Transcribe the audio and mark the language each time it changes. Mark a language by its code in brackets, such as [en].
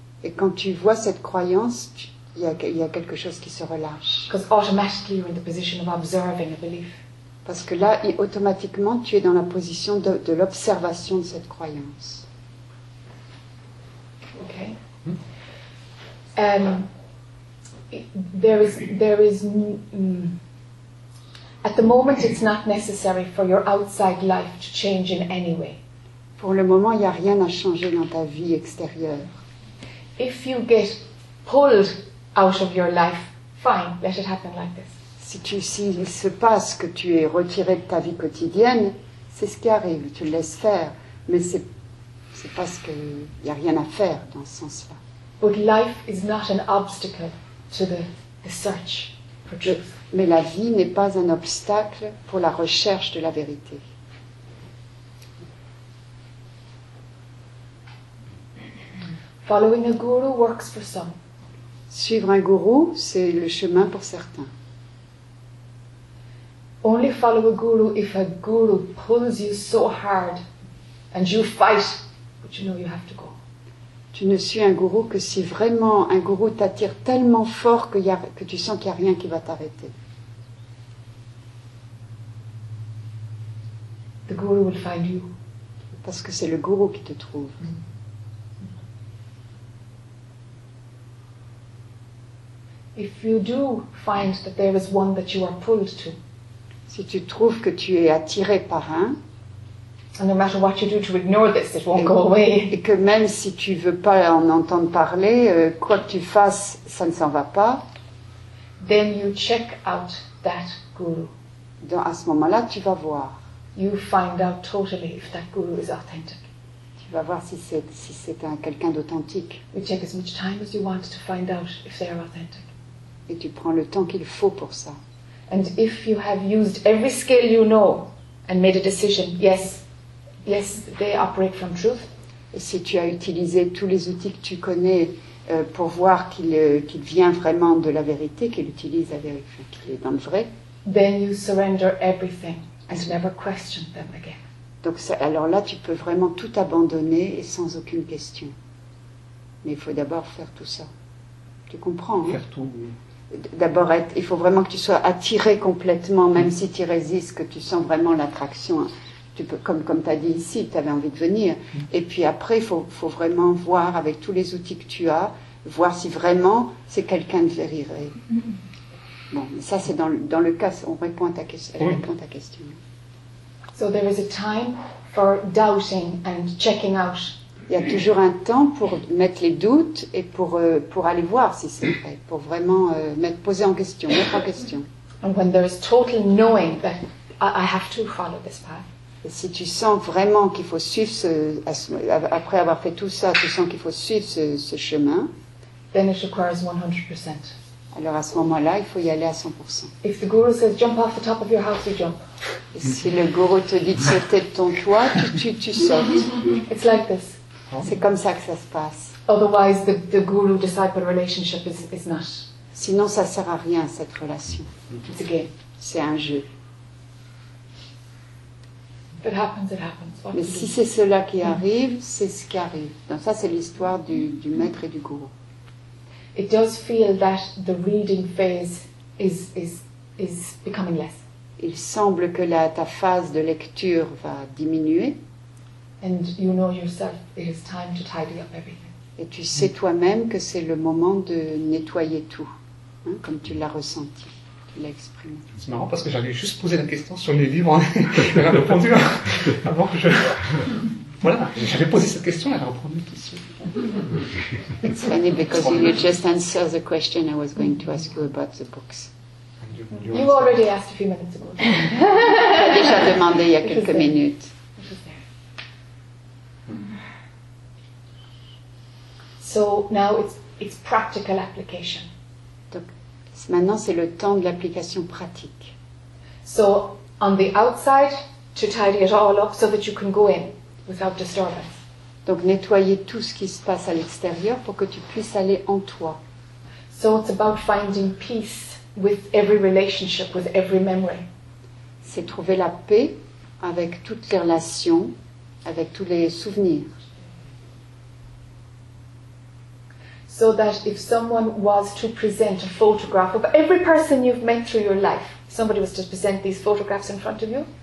[fr] Et quand tu vois cette croyance, il y a quelque chose qui se relâche. [en] Because automatically you're in the position of observing a belief. [fr] Parce que là, automatiquement, tu es dans la position de l'observation de cette croyance. [en] Okay. There is. At the moment, it's not necessary for your outside life to change in any way. [fr] Pour le moment, il n'y a rien à changer dans ta vie extérieure. If you get pulled out of your life, fine, let it happen like this. S'il se passe que tu es retiré de ta vie quotidienne, c'est ce qui arrive. Tu le laisses faire, mais c'est c'est parce qu'il n'y a rien à faire dans ce sens-là. [en] But life is not an obstacle to the search for truth. [fr] Mais la vie n'est pas un obstacle pour la recherche de la vérité. [en] Following a guru works for some. [fr] Suivre un gourou, c'est le chemin pour certains. [en] Only follow a guru if a guru pulls you so hard and you fight. But you know you have to go. [fr] Tu ne suis un gourou que si vraiment un gourou t'attire tellement fort que tu sens qu'il n'y a rien qui va t'arrêter. [en] The guru will find you. [fr] Parce que c'est le gourou qui te trouve. [en] If you do find that there is one that you are pulled to, [fr] si tu trouves que tu es attiré par un, [en] and no matter what you do to ignore this, it won't go away. [fr] Et que même si tu veux pas en entendre parler, quoi que tu fasses, ça ne s'en va pas. [en] then you check out that guru. [fr] Donc à ce moment-là, tu vas voir. [en] You find out totally if that guru is authentic. [fr] Tu vas voir si c'est un quelqu'un d'authentique. [en] You take as much time as you want to find out if they are authentic. [fr] Et tu prends le temps qu'il faut pour ça. [en] And if you have used every skill you know and made a decision, yes, they operate from truth. [fr] Et si tu as utilisé tous les outils que tu connais pour voir qu'il vient vraiment de la vérité, qu'il utilise la vérité, qu'il est dans le vrai. [en] Then you surrender everything and never question them again. [fr] Donc ça, alors là, tu peux vraiment tout abandonner et sans aucune question. Mais il faut d'abord faire tout ça. Tu comprends, hein? Faire tout, oui. D'abord, il faut vraiment que tu sois attiré complètement, même si tu résistes, que tu sens vraiment l'attraction. Tu peux, comme tu as dit ici, tu avais envie de venir. Et puis après, il faut vraiment voir, avec tous les outils que tu as, voir si vraiment c'est quelqu'un de véritable. Bon, ça c'est dans le cas, on répond à ta question. Oui. Répond à ta question. [en] So there is a time for doubting and checking out. [fr] Il y a toujours un temps pour mettre les doutes et pour aller voir si c'est vrai, pour vraiment mettre en question. [en] And when there is total knowing that I have to follow this path. [fr] Et si tu sens vraiment qu'il faut suivre après avoir fait tout ça, tu sens qu'il faut suivre ce chemin. [en] Then it requires 100%. [fr] Alors à ce moment-là, il faut y aller à 100%. [en] If the guru says jump off the top of your house, you jump. [fr] Et si le guru te dit de sauter de ton toit, tu sautes. [en] It's like this. [fr] C'est comme ça que ça se passe. [en] Otherwise, the guru-disciple relationship is not. [fr] Sinon, ça sert à rien cette relation. [en] It's a game. [fr] C'est un jeu. [en] It happens. It happens. What [fr] Mais si c'est cela qui arrive, c'est ce qui arrive. Donc ça, c'est l'histoire du maître et du guru. [en] It does feel that the reading phase is becoming less. [fr] Il semble que ta phase de lecture va diminuer. [en] And you know yourself, it is time to tidy up everything. [fr] Et tu sais toi-même que c'est le moment de nettoyer tout, hein, comme tu l'as ressenti, tu l'as exprimé. C'est marrant parce que j'allais juste poser la question sur les livres, hein, elle a répondu avant que je... Voilà, j'avais posé cette question, elle a répondu tout de suite. [en] It's funny because you just answered the question I was going to ask you about the books. You already asked a few minutes ago. [fr] J'ai déjà demandé il y a quelques minutes. [en] So now it's practical application. [fr] Donc maintenant c'est le temps de l'application pratique. [en] So on the outside to tidy it all up so that you can go in without disturbance. [fr] Donc nettoyer tout ce qui se passe à l'extérieur pour que tu puisses aller en toi. [en] So it's about finding peace with every relationship, with every memory. [fr] C'est trouver la paix avec toutes les relations, avec tous les souvenirs. [en] So that if someone was to present a photograph of every person you've met through your life, somebody was to present these photographs in front of you.